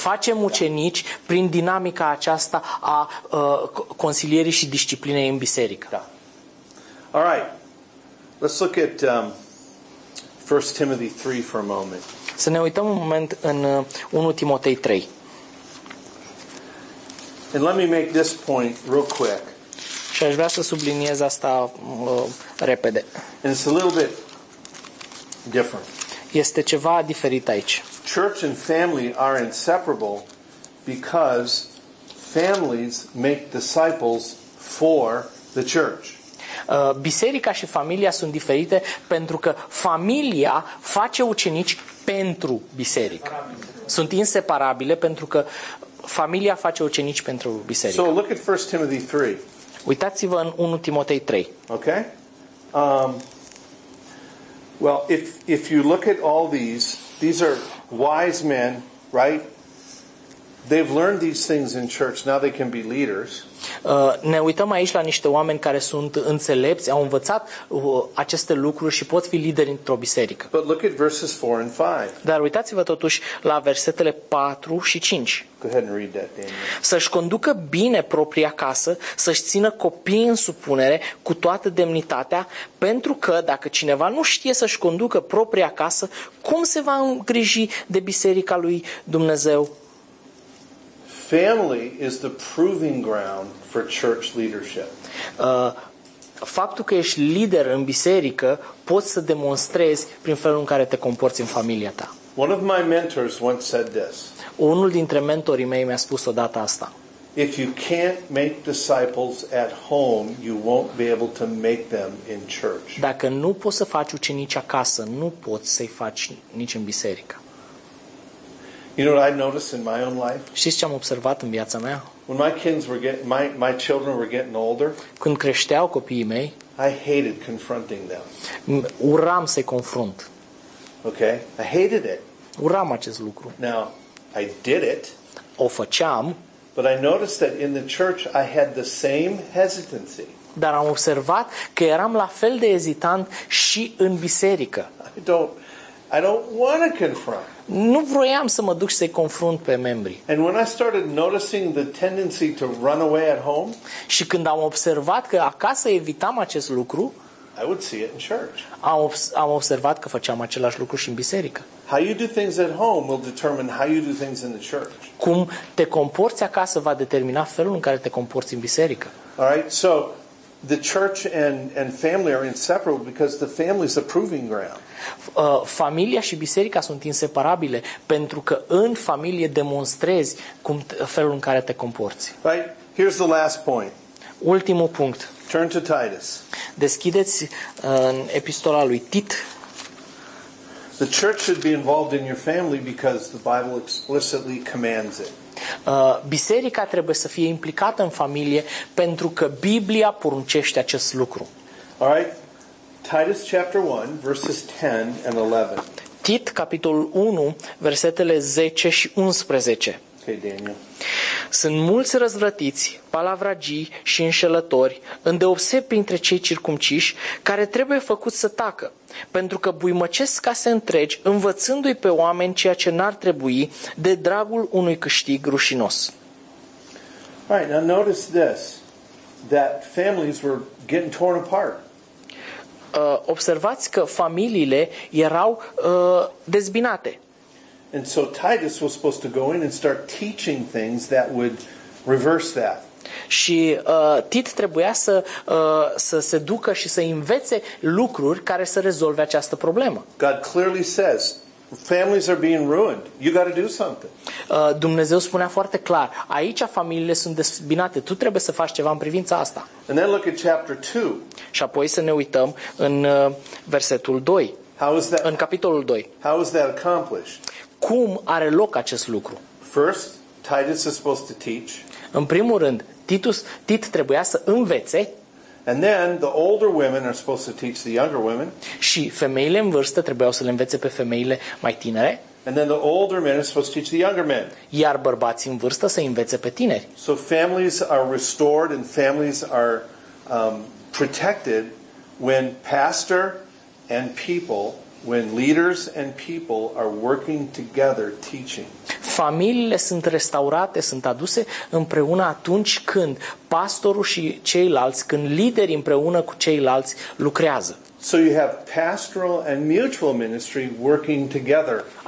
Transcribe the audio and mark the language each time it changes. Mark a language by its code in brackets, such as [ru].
[ro] Facem ucenici prin dinamica aceasta a consilierii și disciplinei în biserică. [en] Da. All right. Let's look at 1 Timothy 3 for a moment. [ro] Să ne uităm un moment în 1 Timotei 3. [en] And let me make this point real quick. [ro] Și aș vrea să subliniez asta repede. [en] And it's a little bit different. [ro] Este ceva diferit aici. [en] Church and family are inseparable because families make disciples for the church. [ro] Biserica și familia sunt diferite pentru că familia face ucenici pentru biserică. Sunt inseparabile pentru că familia face ucenici pentru biserică. [en] So look at 1 Timothy 3. [ro] Uitați-vă în 1 Timotei 3. [en] Okay? Well, if you look at all these are wise men, right? They've learned these things in church. Now they can be leaders. [ro] Ne uităm aici la niște oameni care sunt înțelepți, au învățat aceste lucruri și pot fi lideri într-o biserică. [en] But look at verses 4 and 5. [ro] Dar uitați-vă totuși la versetele 4 și 5. [en] Go ahead and read that, Daniel. [ro] Să-și conducă bine propria casă, să-și țină copiii în supunere cu toată demnitatea, pentru că dacă cineva nu știe să-și conducă propria casă, cum se va îngriji de biserica lui Dumnezeu? [en] Family is the proving ground for church leadership. [ro] Faptul că ești lider în biserică poți să demonstrezi prin felul în care te comporți în familia ta. [en] One of my mentors once said this. [ro] Unul dintre mentorii mei mi-a spus odată asta. [en] If you can't make disciples at home, you won't be able to make them in church. [ro] Dacă nu poți să faci ucenici acasă, nu poți să-i faci nici în biserică. [en] You know what I've noticed in my own life? [ro] Știți ce am observat în viața mea? [en] When my children were getting older, [ro] când creșteau copiii mei, [en] I hated confronting them. [ro] Uram să-i confrunt. [en] Okay? I hated it. [ro] Uram acest lucru. [en] Now, I did it. [ro] O făceam. [en] But I noticed that in the church I had the same hesitancy. [ro] Dar am observat că eram la fel de ezitant și în biserică. [en] I don't want to confront. [ro] Nu vroiam să mă duc să-i confrunt pe membrii. [en] And when I started noticing the tendency to run away at home, [ro] și când am observat că acasă evitam acest lucru, [en] I would see it in church. [ro] Am observat că făceam același lucru și în biserică. [en] How you do things at home will determine how you do things in the church. [ro] Cum te comporți acasă va determina felul în care te comporți în biserică. [en] All right, so the church and family are inseparable because the family is the proving ground. [ro] Familia și biserica sunt inseparabile pentru că în familie demonstrezi cum felul în care te comporți. [en] Right? Here's the last point. [ro] Ultimul punct. [en] Turn to Titus. [ro] Deschideți în epistola lui Tit. [en] The church should be involved in your family because the Bible explicitly commands it. [ro] Biserica trebuie să fie implicată în familie pentru că Biblia poruncește acest lucru. [en] All right. Titus chapter 1 verses 10 and 11. [ro] Tit capitolul 1 versetele 10 și 11. [en] Okay, Daniel. [ro] Sunt mulți răzvrătiți, palavragii și înșelători, îndeoseb printre cei circumciși, care trebuie făcuți să tacă, pentru că buimăcesc case întregi, învățându-i pe oameni ceea ce n-ar trebui, de dragul unui câștig rușinos. [en] Right, now notice this, that families were getting torn apart. [ro] Observați că familiile erau dezbinate. [en] And so Titus was supposed to go in and start teaching things that would reverse that. [ro] Și Tit trebuia să se ducă și să învețe lucruri care să rezolve această problemă. [en] God clearly says, families are being ruined. You got to do something. [ro] Dumnezeu spunea foarte clar, aici familiile sunt dezbinate, tu trebuie să faci ceva în privința asta. [en] And then look at chapter 2. [ro] Și apoi să ne uităm în versetul 2. [en] How is that, [ro] în capitolul 2. [en] How is that accomplished? [ro] Cum are loc acest lucru? [en] First, Titus is supposed to teach. [ro] În primul rând, Tit trebuia să învețe. [en] And then the older women are supposed to teach the younger women. [ro] Și femeile în vârstă trebuiau să le învețe pe femeile mai tinere. [en] And then the older men are supposed to teach the younger men. [ro] Iar bărbații în vârstă să învețe pe tineri. [en] So families are restored and families are protected when pastor and people, when leaders and people are working together teaching. [ro] Familiile sunt restaurate, sunt aduse împreună atunci când pastorul și ceilalți, când liderii împreună cu ceilalți lucrează. [en] So you have pastoral and mutual ministry working together.